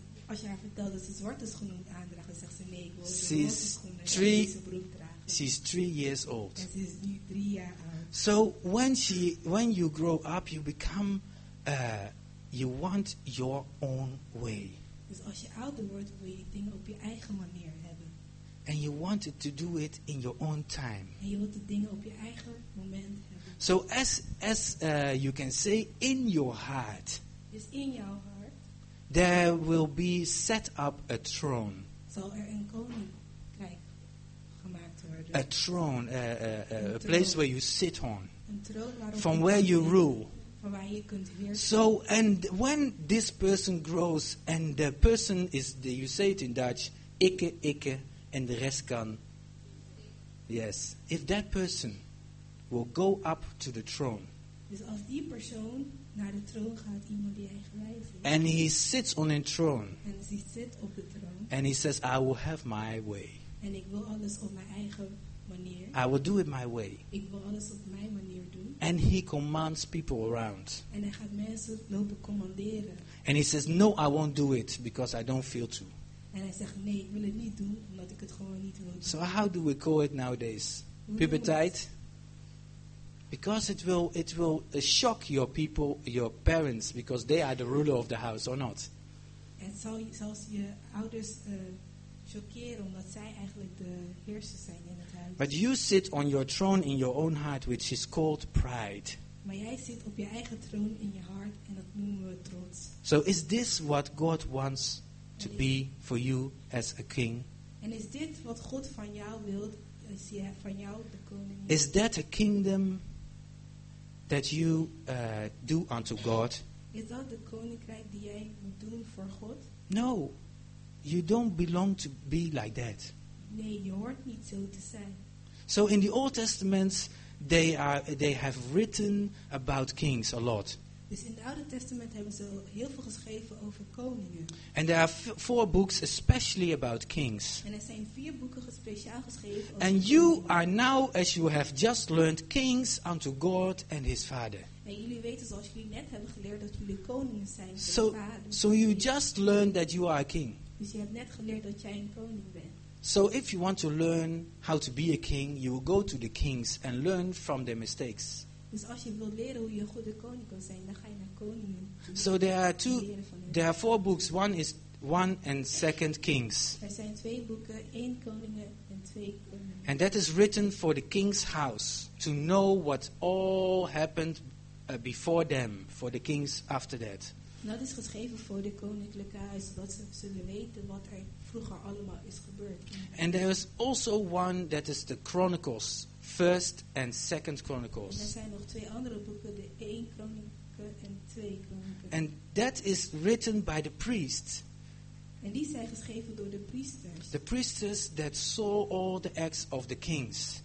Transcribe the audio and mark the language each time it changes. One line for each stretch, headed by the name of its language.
Dutch: Als je haar vertelt dat ze zwarte schoenen aandraagt, dan zegt ze nee, ik wil de broek dragen.
English: She's 3 years old.
Dutch: En ze is nu 3 jaar oud.
English: So when you grow up, you become you want your own way.
Dutch: Dus als je ouder wordt, wil je dingen op je eigen manier hebben.
English: And you want it to do it in your own time.
Dutch: En je wilt de dingen op je eigen moment hebben.
English: So as you can say in your heart.
Dutch: Dus in jouw hart.
English: There will be set up a throne.
Dutch: Zal er een koninkrijk gemaakt worden.
English: A throne, a place where you sit on.
Dutch: Een troon waarop
English: from where you rule.
Dutch: Van waar je kunt heersen.
English: So and when this person grows and the person is the, you say it in Dutch, ikke and the rest kan. Yes, if that person will go up to the throne.
Dutch: Dus als die persoon naar de troon gaat, iemand die hij gewijs heeft.
English: And he sits on a throne.
Dutch: En hij zit op de troon.
English: And he says, I will have my way.
Dutch: En ik wil alles op mijn eigen manier.
English: I will do it my way.
Dutch: Ik wil alles op mijn manier doen.
English: And he commands people around.
Dutch: En hij gaat mensen lopen commanderen.
English: And he says, no, I won't do it because I don't feel to.
Dutch: En hij zegt, nee, ik wil het niet doen omdat ik het gewoon niet wil doen.
English: So how do we call it nowadays? Puberteit? Because it will shock your people, your parents, because they are the ruler of the house or not.
Dutch: Het zal zelfs je ouders shockeren omdat zij eigenlijk de heersers zijn in het huis.
English: But you sit on your throne in your own heart, which is called pride.
Dutch: Maar jij zit op je eigen troon in je hart en dat noemen we trots.
English: So is this what God wants to be for you as a king?
Dutch: En is dit wat God van jou wilt? Is hij van jou de koning?
English: Is that a kingdom that you do unto God?
Dutch: Is dat de koninkrijk die jij moet doen voor God?
English: No, you don't belong to be like that.
Dutch: Nee, je hoort niet zo te zijn.
English: So in the Old Testament, they have written about kings a lot.
Dutch: Dus in het Oude Testament hebben ze heel veel geschreven over koningen.
English: And there are four books especially about kings.
Dutch: En er zijn 4 boeken speciaal geschreven over koningen.
English: And you are now, as you have just learned, kings unto God and his Father.
Dutch: En jullie weten zoals jullie net hebben geleerd dat jullie koningen zijn voor
English: so,
Dutch: vader.
English: So you just learned that you are a king.
Dutch: Dus je hebt net geleerd dat jij een koning bent.
English: So if you want to learn how to be a king, you will go to the kings and learn from their mistakes.
Dutch: Dus als je wilt leren hoe je een goede koning kan zijn, dan ga je naar koningen.
English: So there are 4 books. One is 1 and 2 Kings.
Dutch: Er zijn 2 boeken, 1 koningen en 2 koningen.
English: And that is written for the king's house to know what all happened before them, for the kings after that.
Dutch: Dat is geschreven voor de koninklijke huis, zodat ze zullen weten wat er vroeger allemaal is gebeurd.
English: And there is also one that is the Chronicles. 1st and 2nd Chronicles.
Dutch: En er zijn nog 2 andere boeken, de 1 Kronieken en 2 Kronieken.
English: And that is written by the priests.
Dutch: En die zijn geschreven door de priesters.
English: The priests that saw all the acts of the kings.